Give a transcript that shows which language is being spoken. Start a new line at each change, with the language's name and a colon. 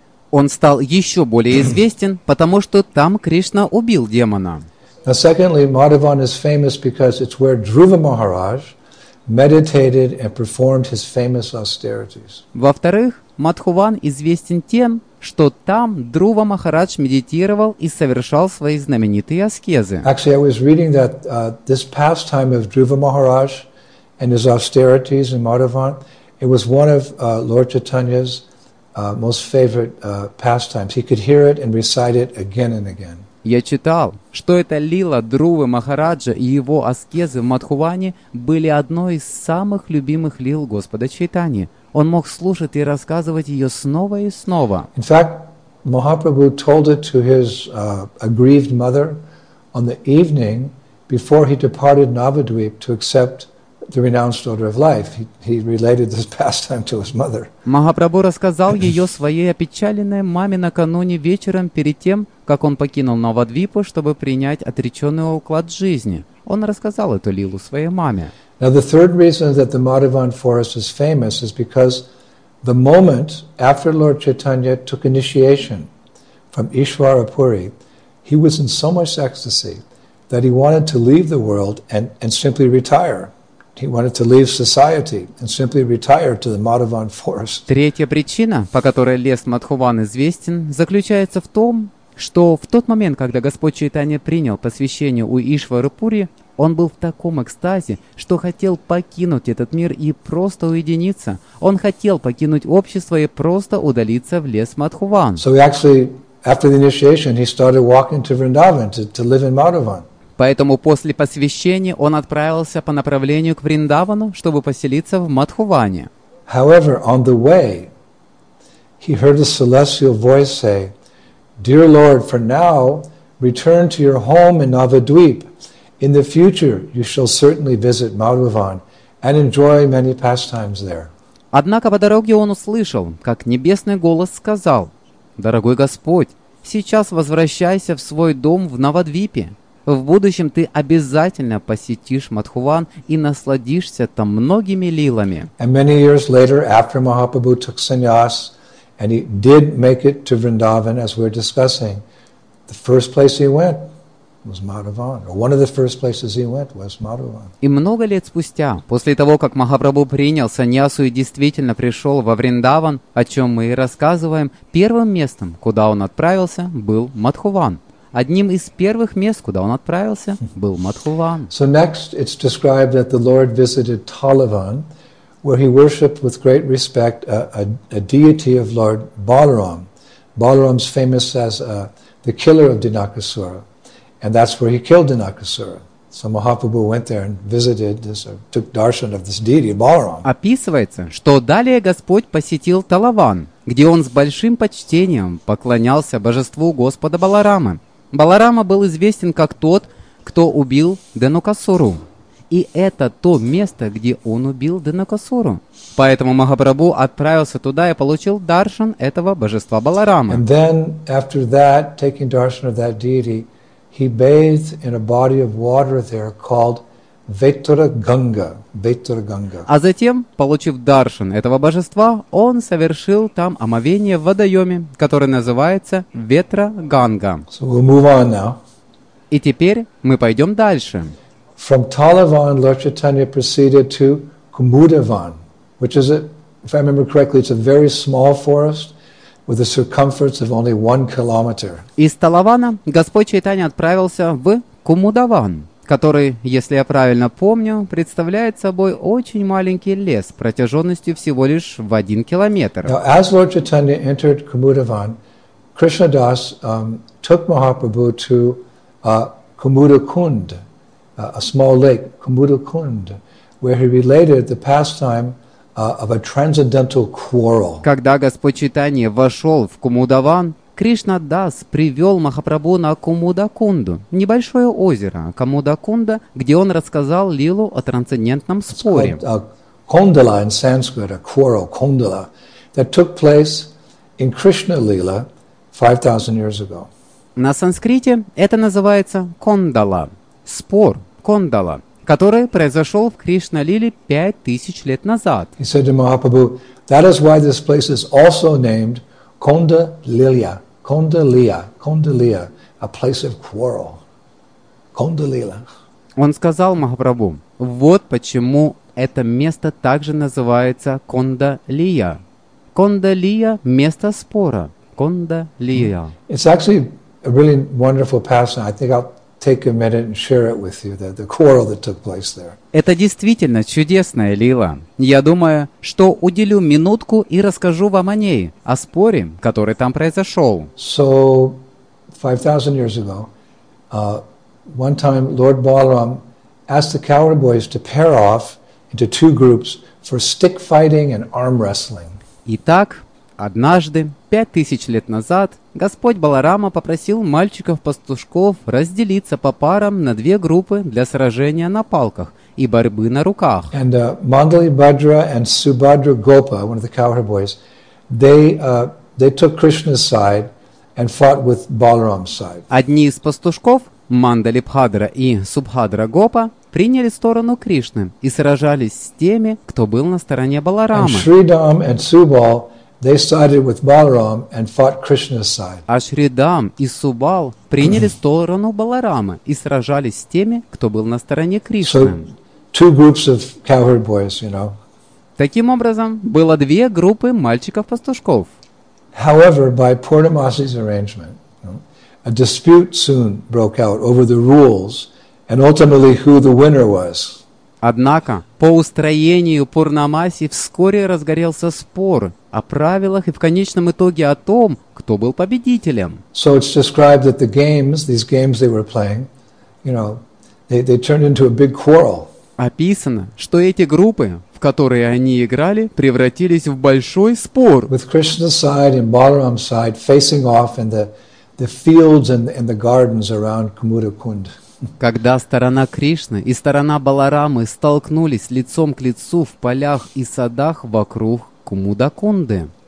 Russian: Он стал еще более известен, потому что там Кришна убил демона.
English: Now, secondly, Madhuvan is famous because it's where Dhruva Maharaj meditated and performed his famous austerities.
Russian: Во-вторых, Мадхуван известен тем, что там Друва Махарадж медитировал и совершал свои знаменитые аскезы.
English: Actually, I was reading that this pastime of Dhruva Maharaj and his austerities in Madhuvan, it was one of Lord Chaitanya's most favorite pastimes. He could hear it and recite it again and again.
Russian: Я читал, что эта лила Друвы Махараджа и его аскезы в Мадхуване были одной из самых любимых лил Господа Чайтани. Он мог слушать и рассказывать ее снова и снова.
English: In fact, Mahaprabhu told it to his aggrieved mother on the evening before he departed Navadvip to accept the renounced order of life. He related this pastime to his mother.
Russian: Махапрабху рассказал ее своей опечаленной маме накануне вечером перед тем, как он покинул Навадвипу, чтобы принять отреченный уклад жизни. Он рассказал эту лилу своей маме.
English: Now the third reason that the Madhuvan forest is famous is because the moment after Lord Chaitanya took initiation from Ishwarapuri, he was in so much ecstasy that he wanted to leave the world and simply retire. He wanted to leave society and simply retire to the Madhavan forest.
Russian: Третья причина, по которой лес Мадхуван известен, заключается в том, что в тот момент, когда Господь Чайтанья принял посвящение у Ишвары Пури, он был в таком экстазе, что хотел покинуть этот мир и просто уединиться. Он хотел покинуть общество и просто удалиться в лес Мадхуван.
English: So actually, after the initiation, he started walking to Vrindavan to live in Madhavan.
Russian: Поэтому после посвящения он отправился по направлению к Вриндавану, чтобы поселиться в Мадхуване.
English: However, on the way, he heard a celestial voice say, "Dear Lord, for now, return to your home in Navadvip. In the future, you shall certainly visit Madhuvan and enjoy many pastimes there."
Russian: Однако по дороге он услышал, как небесный голос сказал, «Дорогой Господь, сейчас возвращайся в свой дом в Навадвипе. В будущем ты обязательно посетишь Мадхуван и насладишься там многими лилами».
English: And many years later, after Mahaprabhu took sannyas, and he did make it to Vrindavan, as we're discussing, the first place he went was Madhuvan. Or one of the first places he went was Madhuvan.
Russian: И много лет спустя, после того, как Махапрабху принял саньясу и действительно пришел во Вриндаван, о чем мы и рассказываем, первым местом, куда он отправился, был Мадхуван. Одним из первых мест, куда он отправился, был Мадхуван.
English: So next it's described that the Lord visited Talavan, where he worshipped with great respect a deity of Lord Balaram. Balaram's famous as the killer of Dinakasura, and that's where he killed Dinakasura. So Mahaprabhu went there and visited this, took darshan of this deity, Balaram.
Russian: Описывается, что далее Господь посетил Талаван, где он с большим почтением поклонялся божеству Господа Баларама. Баларама был известен как тот, кто убил Денукасуру. И это то место, где он убил Денукасуру. Поэтому Махапрабху отправился туда и получил даршан этого божества Баларама.
English: And then, after that, taking darshan of that deity, he bathed in a body of water there called Vaitura Ganga.
Russian: А затем, получив даршан этого божества, он совершил там омовение в водоеме, который называется Ветра Ганга.
English: So we'll move on now.
Russian: И теперь мы пойдем дальше.
English: From Talavan, Lord Chaitanya proceeded to Kumudavan, which is, if I remember correctly, it's a very small forest with a circumference of only 1 kilometer.
Russian: Из Талавана Господь Чайтанья отправился в Кумудаван, который, если я правильно помню, представляет собой очень маленький лес протяженностью всего лишь в 1 километр.
English: Now, as Lord Chaitanya entered Kumudavan, Krishna Das took Mahaprabhu to Kumudakund, a small lake, Kumudakund, where he related the pastime of a transcendental quarrel.
Russian: Когда Господь Чайтанья вошел в Кумудаван, Кришна Дас привел Махапрабху на Кумудакунду, небольшое озеро Кумудакунда, где он рассказал лилу о трансцендентном споре.
English: It's called Kondala in Sanskrit, a quarrel, Kondala, that took place in Krishna Lila 5000 years ago.
Russian: На санскрите это называется Кондала, спор Кондала, который произошел в Кришна Лиле 5000 лет назад.
English: He said to Mahaprabhu, "That is why this place is also named Kondalila, a place of quarrel. Kondalila."
Russian: Он сказал Махапрабху, вот почему это место также называется Кондалия. Кондалия – место спора. Кондалия.
English: It's actually a really wonderful passage. I think I'll take a minute and share it with you, the quarrel that took place there.
Russian: Это действительно чудесная лила. Я думаю, что уделю минутку и расскажу вам о ней, о споре, который там произошел.
English: So, 5,000 years ago, one time Lord Balaram asked the cowherd boys to pair off into 2 groups for stick fighting and arm wrestling.
Russian: Итак, однажды, 5000 лет назад, Господь Баларама попросил мальчиков-пастушков разделиться по парам на 2 группы для сражения на палках и борьбы на руках.
English: And Mandali Bhadra and Subhadra Gopa, one of the cowherd boys, they took Krishna's side and fought with Balaram's side.
Russian: Одни из пастушков, Мандали Бхадра и Субхадра Гопа, приняли сторону Кришны и сражались с теми, кто был на стороне Баларамы.
English: And Shridham and Subal, they sided with Balaram and fought Krishna's side.
Russian: А Шридам и Субал приняли сторону Баларамы и сражались с теми, кто был на стороне Кришны.
English: So, two groups of cowherd boys, you know.
Russian: Таким образом, было две группы мальчиков-пастушков.
English: However, by Portamossi's arrangement, a dispute soon broke out over the rules and ultimately who the winner was.
Russian: Однако, по устроению Портамоси вскоре разгорелся спор о правилах и в конечном итоге о том, кто был победителем.
English: So it's described that the games, these games they were playing, you know, they turned into a big quarrel.
Russian: Описано, что эти группы, в которые они играли, превратились в большой спор.
English: With Krishna's side and Balaram's side facing off in the fields and the gardens around Kumuda Kund.
Russian: Когда сторона Кришны и сторона Баларамы столкнулись лицом к лицу в полях и садах вокруг Кумудакунды.